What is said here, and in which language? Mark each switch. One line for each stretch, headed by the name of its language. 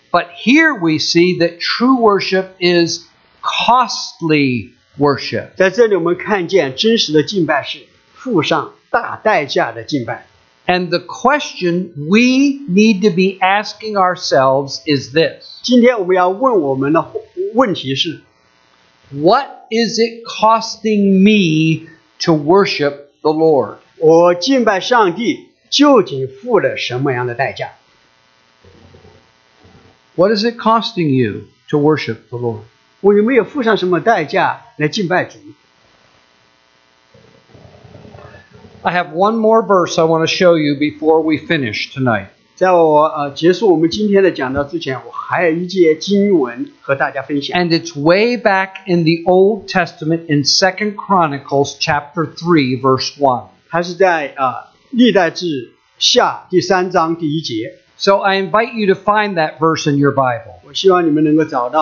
English: But here we see that true worship is costly worship.
Chinese: 在这里我们看见真实的敬拜是付上大代价的敬拜。
English: And the question we need to be asking ourselves is this.
Chinese: 今天我们要问我们的问题是,
English: what is it costing me to worship the Lord?
Chinese: 我敬拜上帝, 究竟付了什么样的代价?
English: What is it costing you to worship the Lord?
Chinese: 我有没有付上什么代价来敬拜主?
English: I have one more verse I want to show you before we finish tonight.
Chinese: 在我结束我们今天的讲道之前，我还有一节经文和大家分享。
English: And it's way back in the Old Testament in 2 Chronicles chapter 3 verse 1.
Chinese: 它是在历代志。下第三章第一节,
English: so I invite you to find that verse in your Bible.